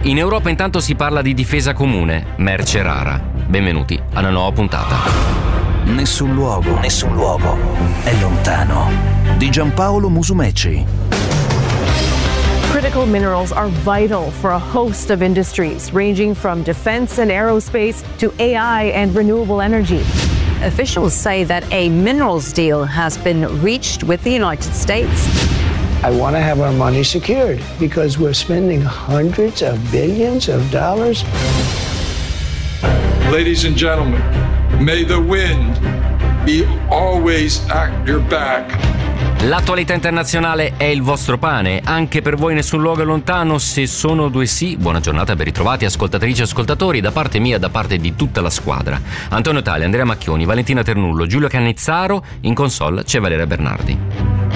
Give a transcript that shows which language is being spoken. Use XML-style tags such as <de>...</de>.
<it>In Europa intanto si parla di difesa comune, merce rara. Benvenuti a una nuova puntata. Nessun luogo è lontano di Giampaolo Musumeci.</it> <en>Critical minerals are vital for a host of industries, ranging from defense and aerospace to AI and renewable energy. Officials say that a minerals deal has been reached with the United States. I want to have our money secured because we're spending hundreds of billions of dollars. Ladies and gentlemen, may the wind be always at your back.</en> <it>L'attualità internazionale è il vostro pane, anche per voi nessun luogo è lontano, se sono due sì, buona giornata, ben ritrovati ascoltatrici e ascoltatori, da parte mia, da parte di tutta la squadra. Antonio Tale, Andrea Macchioni, Valentina Ternullo, Giulio Cannizzaro, in console c'è Valeria Bernardi.</it>